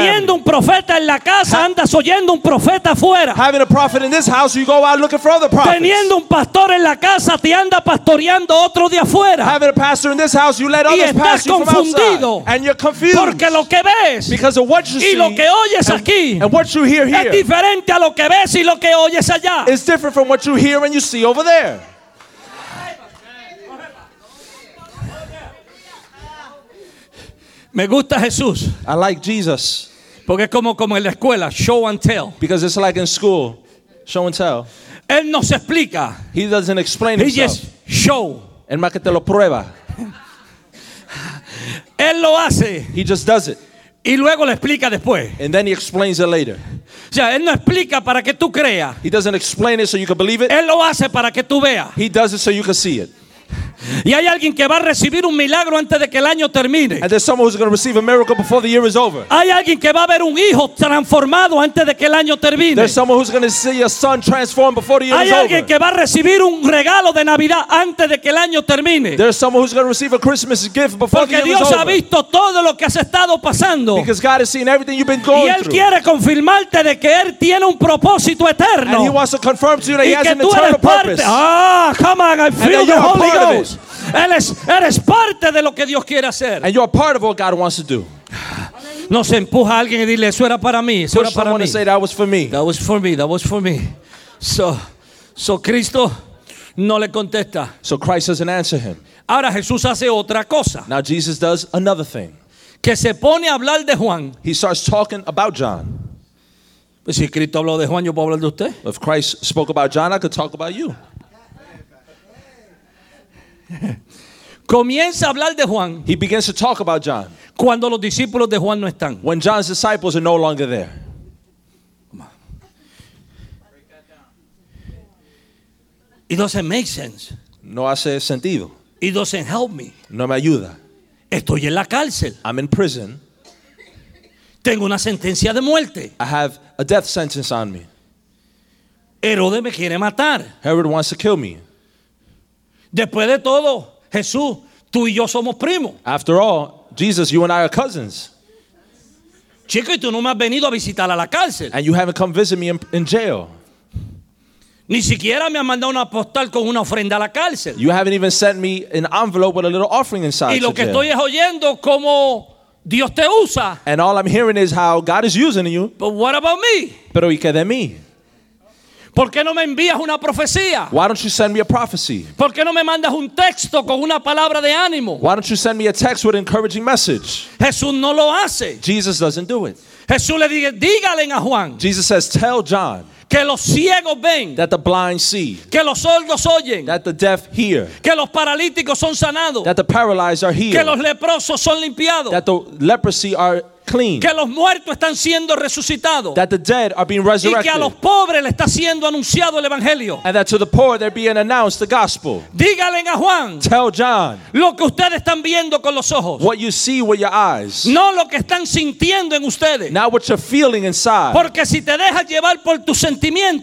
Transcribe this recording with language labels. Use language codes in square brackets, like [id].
[es] Teniendo un profeta en la casa, andas oyendo un profeta afuera. [en] Having a prophet in this house, you go out looking for other prophets. [es] Teniendo un pastor en la casa, te anda pastoreando otro de afuera. [en] Having a pastor in this house, you let others pass you from outside. [es] Y estás confundido. [en] And you're confused. [es] Porque lo que ves, [en] because of what you [es] see, y lo que oyes [en] and, [es] aquí, [en] and what you [es] es diferente a lo que ves y lo que oyes allá. [en] It's different from what you hear and you see over there. [es] Me gusta Jesús. [en] I like Jesus. [es] Porque es como en la escuela, show and tell. [en] Because it's like in school, show and tell. [es] Él nos explica. [en] He doesn't explain he himself. He just show. [es] Él más que te lo prueba. Él lo hace. [en] He just does it. [es] Y luego le explica después. [en] And then he explains it later. [es] O sea, él no explica para que tú creas. [en] He doesn't explain it so you can believe it. [es] Él lo hace para que tú veas. [en] He does it so you can see it. [es] Y hay alguien que va a recibir un milagro antes de que el año termine. [en] And there's someone who's going to receive a miracle before the year is over. [es] Hay alguien que va a ver un hijo transformado antes de que el año termine. [en] There's someone who's going to see a son transformed before the year [es] hay [en] is over. [es] Hay alguien que va a recibir un regalo de Navidad antes de que el año termine. [en] There's someone who's going to receive a Christmas gift before [es] porque [en] the year [es] Dios [en] is over. [es] Porque Dios ha visto todo lo que has estado pasando. [en] Because God has seen everything you've been going [es] y él [en] through. [es] Quiere confirmarte de que él tiene un propósito eterno. [en] And he wants to confirm to you that [es] y [en] he has [es] que [en] an eternal purpose. Ah, come on, I feel the Holy Ghost. [es] Eres parte de lo que Dios quiere hacer. [en] And you're part of what God wants to do. [es] No se empuja a alguien y dile, eso era para mí, eso era para mí. [en] Say, that was for me. That was for me, that was for me. [es] So Cristo no le contesta. [en] So Christ doesn't answer him. [es] Ahora Jesús hace otra cosa. [en] Now Jesus does another thing. [es] Que se pone a hablar de Juan. [en] He starts talking about John. [es] Pues si Cristo habló de Juan, yo puedo hablar de usted. [en] If Christ spoke about John, I could talk about you. [es] Comienza a hablar de Juan. [en] He begins to talk about John. [es] Cuando los discípulos de Juan no están. [en] When John's disciples are no longer there. It doesn't make sense. [es] No hace sentido. [en] It doesn't help me. [es] No me ayuda. Estoy en la cárcel. [en] I'm in prison. [es] Tengo una sentencia de muerte. [en] I have a death sentence on me. [es] Herodes me quiere matar. [en] Herod wants to kill me. [es] Después de todo, Jesús, tú y yo somos primos. [en] After all, Jesus, you and I are cousins. [es] Chico, y tú no me has venido a visitar a la cárcel. [en] And you haven't come visit me in jail. [es] Ni siquiera me has mandado una postal con una ofrenda a la cárcel. [en] You haven't even sent me an envelope with a little offering inside. [es] Y lo que estoy es oyendo cómo Dios te usa. [en] And all I'm hearing is how God is using you. But what about me? [es] Pero ¿y qué de mí? ¿Por qué no me envías una profecía? [en] Why don't you send me a prophecy? [es] ¿Por qué no me mandas un texto con una palabra de ánimo? [en] Why don't you send me a text with an encouraging message? [es] Jesús no lo hace. [en] Jesus doesn't do it. [es] Jesús le dice, dígale a Juan. [en] Jesus says, tell John. [es] Que los ciegos ven. [en] That the blind see. [es] Que los sordos oyen. [en] That the deaf hear. [es] Que los paralíticos son sanados. [en] That the paralyzed are healed. [es] Que los leprosos son limpiados. [en] That the leprosy are clean. [es] Que los muertos están siendo resucitados. [en] That the dead are being resurrected. [es] Y que a los pobres le está siendo anunciado el evangelio. [en] And that to the poor they're being announced the gospel. [es] Dígale a Juan. [en] Tell John. [es] Lo que ustedes están viendo con los ojos. [en] What you see with your eyes. [es] No lo que están sintiendo en ustedes. [en] Not what you're feeling inside. [es] Porque si te dejas llevar por tus sentimientos.